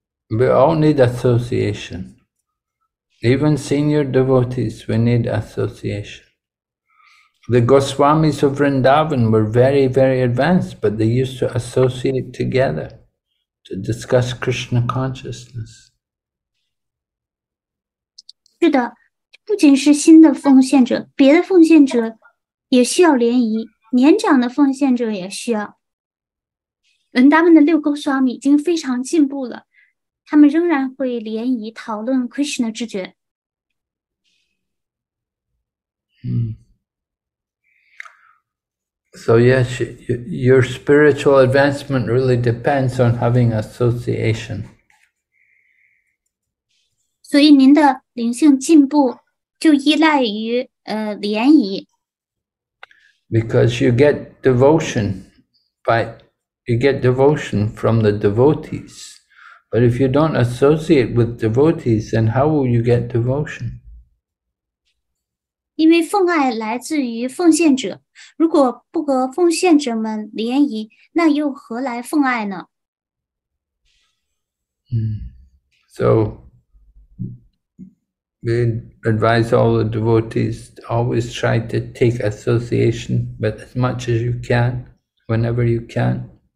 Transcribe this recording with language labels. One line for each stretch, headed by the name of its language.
English: We all need association. Even senior devotees, we need association. The Goswamis of Vrindavan were very, very advanced, but they used to associate together to discuss Krishna consciousness.
Chinese: 是的, 不仅是新的奉献者, 别的奉献者也需要联谊, 年长的奉献者也需要。文达们的六个双米已经非常进步了, 他们仍然会联谊讨论Krishna之觉。
English: So yes, your spiritual advancement really depends on having association.
Chinese: 所以您的灵性进步就依赖于联谊。
English: Because you get devotion from the devotees. But if you don't associate with devotees, then how will you get devotion?
Chinese: 因为奉爱来自于奉献者，如果不和奉献者们联谊，那又何来奉爱呢？
English: So we advise all the devotees to always try to take association, but as much as you can, whenever you can.